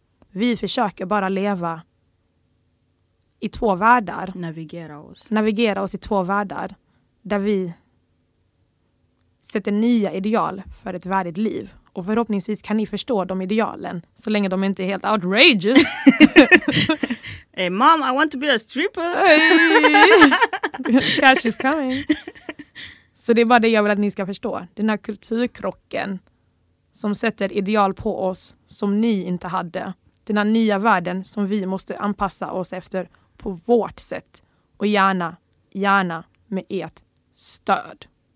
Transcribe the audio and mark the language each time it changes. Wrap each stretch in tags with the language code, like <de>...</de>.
<sv>Vi försöker bara leva i två världar. Navigera oss i två världar där vi sätter nya ideal för ett värdigt liv. Och förhoppningsvis kan ni förstå de idealen. Så länge de inte är helt outrageous.</sv> <en>Hey, mom, I want to be a stripper. Cash is coming.</en> <sv>Så det är bara det jag vill att ni ska förstå. Den här kulturkrocken som sätter ideal på oss som ni inte hade. Den här nya världen som vi måste anpassa oss efter på vårt sätt. Och gärna, gärna med ert stöd.</sv>